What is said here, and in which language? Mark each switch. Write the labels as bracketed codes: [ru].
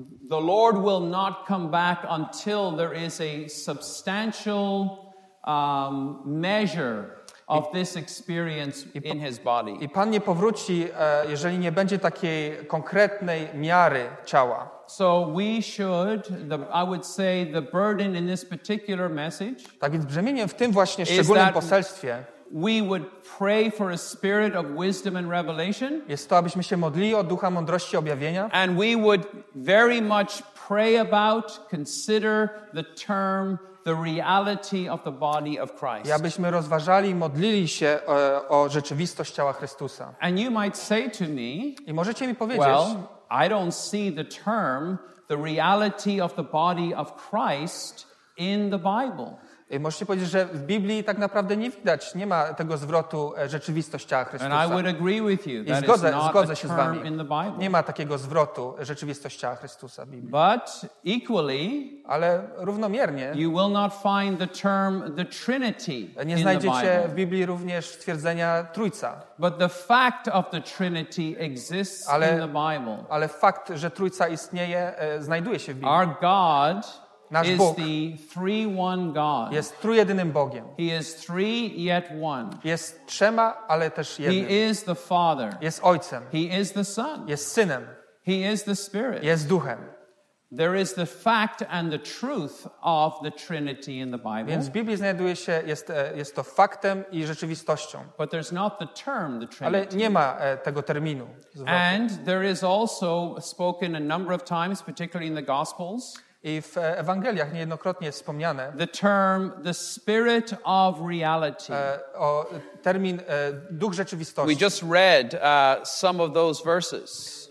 [en] The Lord will not come back until there is a substantial measure of this experience in his body. [pl] I Pan nie powróci, jeżeli nie będzie takiej konkretnej miary ciała. [en] So we should, I would say, the burden in this particular message. [pl] Tak więc brzemieniem w tym właśnie szczególnym poselstwie. [en] We would pray for a spirit of wisdom and revelation. [pl] Jest to, abyśmy się modlili o ducha mądrości i objawienia. [en] And we would very much pray about, consider the term, the reality of the body of Christ. [pl] I abyśmy rozważali i modlili się o rzeczywistość ciała Chrystusa. [en] And you might say to me, [pl] i możecie mi powiedzieć, [en] well, I don't see the term, the reality of the body of Christ in the Bible. [pl] I możecie powiedzieć, że w Biblii tak naprawdę nie widać, nie ma tego zwrotu rzeczywistość ciała Chrystusa. [en] And I would agree with you, that [pl] i zgodzę się z wami. [en] In the Bible. [pl] Nie ma takiego zwrotu rzeczywistość ciała Chrystusa w Biblii. [en] But equally, [pl] ale równomiernie [en] you will not find the term, the Trinity [pl] nie znajdziecie [en] in the Bible. [pl] W Biblii również twierdzenia Trójca. [en] But the fact of the Trinity exists [pl] ale, [en] in the Bible. [pl] Ale fakt, że Trójca istnieje, znajduje się w Biblii. [en] Our God [pl] nasz [en] is [pl] Bóg [en] the three one God. [pl] Jest trójjedynym Bogiem. [en] He is three yet one. [pl] Jest trzema, ale też jednym. [en] He is the Father. [pl] Jest Ojcem. [en] He is the Son. [pl] Jest Synem. [en] He is the Spirit. [pl] Jest duchem. [en] There is the fact and the truth of the Trinity in the Bible. [pl] Więc w Biblii znajduje się jest to faktem i rzeczywistością. [en] But there's not the term the Trinity. [pl] Ale nie ma tego terminu. Zwrotu. [en] And there is also spoken a number of times, particularly in the Gospels. [pl] I w Ewangeliach niejednokrotnie jest wspomniane [en] the term the spirit of reality. [pl] O termin duch rzeczywistości. [en] We just read some of those verses.